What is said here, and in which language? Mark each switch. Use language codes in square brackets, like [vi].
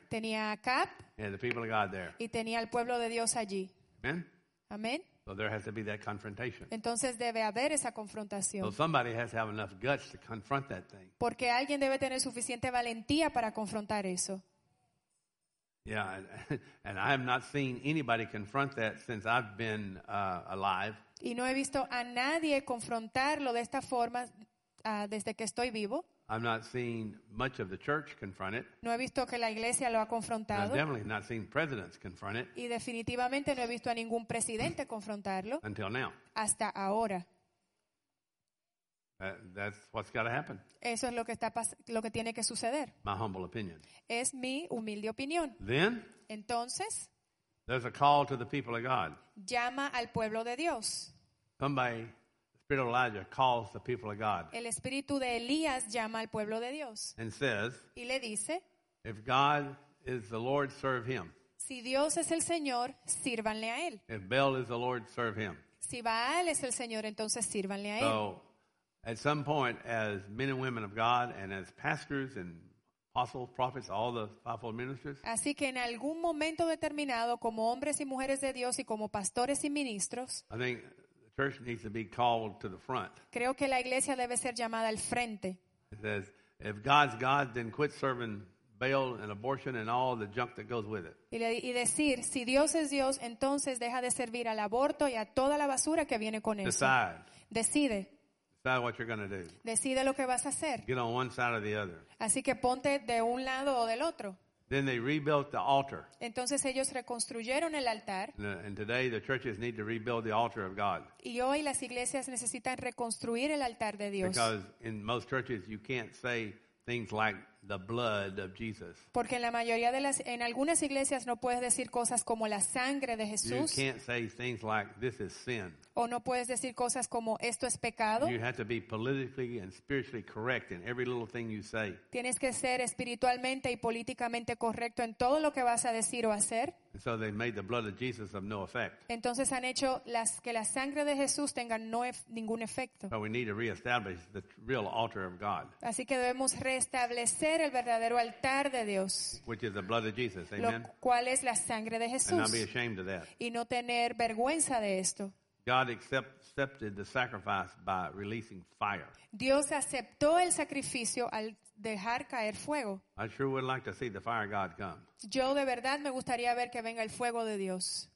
[es] Tenía a Acab. [en] He had the people of God there. [es] Y tenía el pueblo de Dios allí. [en] Amen. [es] Amen. [en] So there has to be that confrontation. [es] Entonces debe haber esa confrontación. [en] So somebody has to have enough guts to confront that thing. [es] Porque alguien debe tener suficiente valentía para confrontar eso. [en] Yeah, and I have not seen anybody confront that since I've been alive. [es] Y no he visto a nadie confrontarlo de esta forma desde que estoy vivo. [en] I've not seen much of the church confront it. [es] No he visto que la iglesia lo ha confrontado. [en] And I've definitely not seen presidents confront it. [es] Y definitivamente no he visto a ningún presidente confrontarlo. [en] Until now. [es] Hasta ahora. [en] That's what's got to happen. [es] Eso es lo que tiene que suceder. [en] My humble opinion. [es] Es mi humilde opinión. [en] Then. [es] Entonces. [en] There's a call to the people of God. [es] Llama al pueblo de Dios. [en] Somebody. Spirit of Elijah calls the people of God. [es] El espíritu de Elías llama al pueblo de Dios. [en] And says, [es] y le dice, [en] if God is the Lord, serve him. [es] Si Dios es el Señor, sírvanle a él. [en] If Baal is the Lord, serve him. [es] Si Baal es el Señor, entonces sírvanle a él. [en] So, at some point, as men and women of God, and as pastors and apostles, prophets, all the fivefold ministers. [es] Así que en algún momento determinado, como hombres y mujeres de Dios y como pastores y ministros. [en] I think the church needs to be called to the front. [es] Creo que la iglesia debe ser llamada al frente. [en] It says, if God's God, then quit serving Baal and abortion and all the junk that goes with it. [es] Y decir, si Dios es Dios, entonces deja de servir al aborto y a toda la basura que viene con eso. [en] Decide. [es] Decide. [en] Decide what you're going to do. [es] Decide lo que vas a hacer. [en] Get on one side or the other. [es] Así que ponte de un lado o del otro. [en] Then they rebuilt the altar. [es] Entonces ellos reconstruyeron el altar. [en] And today the churches need to rebuild the altar of God. [es] Y hoy las iglesias necesitan reconstruir el altar de Dios. [en] Because in most churches you can't say things like the blood of Jesus. [es] Porque en la mayoría de las en algunas iglesias no puedes decir cosas como la sangre de Jesús. [en] You can't say things like this is sin. [es] O no puedes decir cosas como esto es pecado. [en] You have to be politically and spiritually correct in every little thing you say. [es] Tienes que ser espiritualmente y políticamente correcto en todo lo que vas a decir o hacer. [en] And so they made the blood of Jesus of no effect. [es] Entonces han hecho las que la sangre de Jesús tenga no ningún efecto. [en] But we need to reestablish the real altar of God. [es] Así que debemos restablecer el verdadero altar de Dios. [en] Which is the blood of Jesus. Amen. [es] Lo cual es la sangre de Jesús. [en] And not be ashamed of that. [es] Y no tener vergüenza de esto. [en] God accepted the sacrifice by releasing fire. [es] Dios aceptó el sacrificio al dejar caer fuego. [en] I sure would like to see the fire of God come. [es] Yo de verdad me gustaría ver que venga el fuego de Dios.